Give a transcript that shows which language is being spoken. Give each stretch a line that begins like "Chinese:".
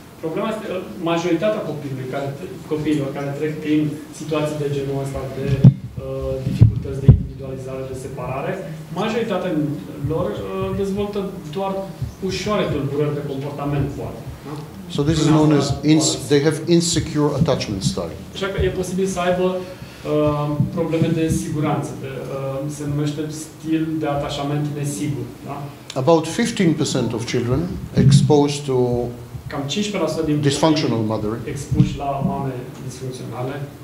Romanian: Problema este majoritatea copiilor care trec prin situații de genul ăsta de dificultăți de individualizare, de separare, majoritatea lor dezvoltă doar ușoare tulburări de comportament, poate.
English: So this is known as they have insecure attachment style.
Romanian: Așa că e posibil să aibă probleme de siguranță, se numește stil de atașament nesigur, da?
English: About 15% of children exposed to
Romanian: cam 15% din
English: dysfunctional mothering
Romanian: expuși la mame disfuncționale